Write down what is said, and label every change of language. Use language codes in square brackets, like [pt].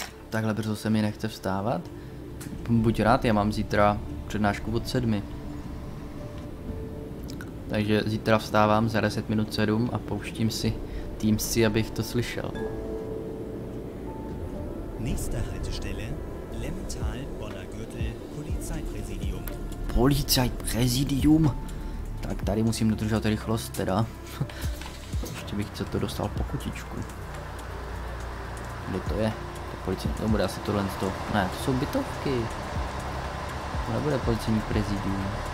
[cs] Takhle brzo se mi nechce vstávat. Buď rád, já mám zítra přednášku od 7. Takže zítra vstávám za 10 minut 7 a pouštím si Teamsy, abych to slyšel. [de] Nächste Haltestelle, Lemmental, Bonner Gürtel, Polizeipräsidium. Polizeipräsidium? [cs] Tak tady musím dodržovat rychlost teda. Ještě bych se to dostal po kutičku. Kde to je? Policajní, to bude asi tohle z toho. Ne, to jsou bytovky. To nebude policajní prezidium.